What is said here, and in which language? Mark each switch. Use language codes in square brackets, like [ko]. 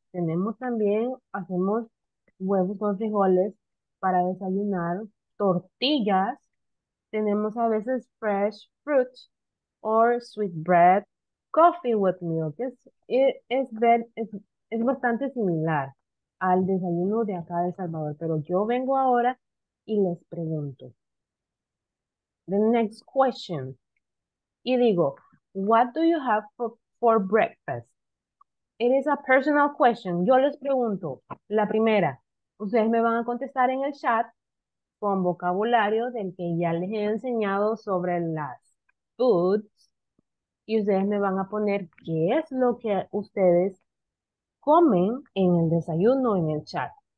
[es] Tenemos también, hacemos huevos con frijoles para desayunar, tortillas, tenemos a veces [en] fresh fruit or sweet bread, coffee with milk. [es] Es bastante similar al desayuno de acá de El Salvador, pero yo vengo ahora y les pregunto. [en] The next question. [es] Y digo, [en] what do you have for breakfast? It is a personal question. [es] Yo les pregunto, la primera, ustedes me van a contestar en el chat con vocabulario del que ya les he enseñado sobre las foods. y ustedes me van a poner qué es lo que ustedes comen en el desayuno en el chat.